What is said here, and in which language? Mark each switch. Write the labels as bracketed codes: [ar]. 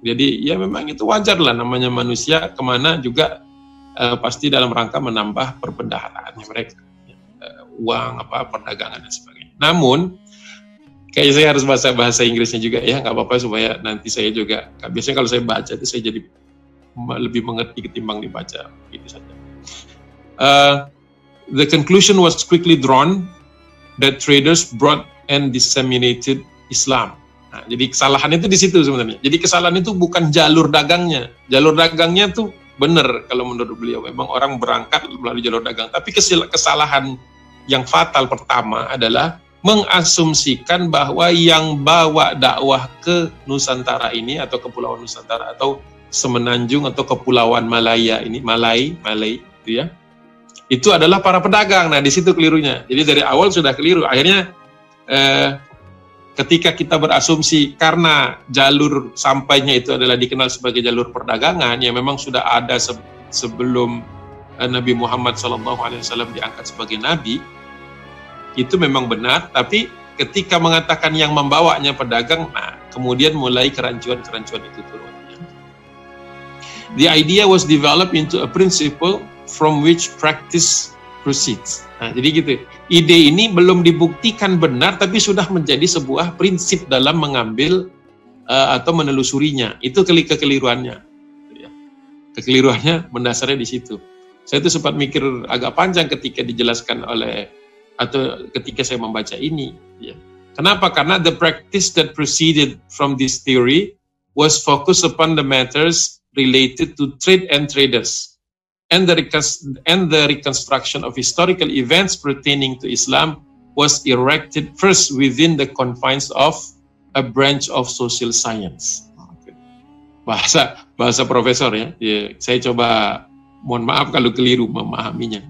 [id] Jadi ya memang itu wajar lah, namanya manusia kemana juga pasti dalam rangka menambah perbendaharaannya mereka. Uang, apa perdagangan dan sebagainya. Namun, kayaknya saya harus baca bahasa Inggrisnya juga ya, nggak apa-apa supaya nanti saya juga, biasanya kalau saya baca itu saya jadi lebih mengerti ketimbang dibaca, gitu saja. [en] The conclusion was quickly drawn that traders brought and disseminated Islam. [id] Nah, jadi kesalahan itu di situ sebenarnya. Jadi kesalahan itu bukan jalur dagangnya. Jalur dagangnya tuh benar kalau menurut beliau, memang orang berangkat melalui jalur dagang. Tapi kesalahan yang fatal pertama adalah mengasumsikan bahwa yang bawa dakwah ke Nusantara ini atau Kepulauan Nusantara atau Semenanjung atau Kepulauan Malaya ini, Malay itu ya, itu adalah para pedagang. Nah, di situ kelirunya. Jadi dari awal sudah keliru. Akhirnya ketika kita berasumsi karena jalur sampainya itu adalah dikenal sebagai jalur perdagangan yang memang sudah ada sebelum Nabi Muhammad SAW diangkat sebagai nabi, itu memang benar, tapi ketika mengatakan yang membawanya pedagang, nah kemudian mulai kerancuan-kerancuan itu turun. [en] The idea was developed into a principle from which practice proceeds. [id] Nah, jadi gitu, ide ini belum dibuktikan benar, tapi sudah menjadi sebuah prinsip dalam mengambil atau menelusurinya. Itu kekeliruannya. Kekeliruannya mendasarnya di situ. Saya tuh sempat mikir agak panjang ketika dijelaskan oleh atau ketika saya membaca ini. Ya. Kenapa? Karena [en] the practice that proceeded from this theory was focused upon the matters related to trade and traders and the reconstruction of historical events pertaining to Islam was erected first within the confines of a branch of social science. [id] Bahasa profesor ya. Ya, saya coba, mohon maaf kalau keliru memahaminya.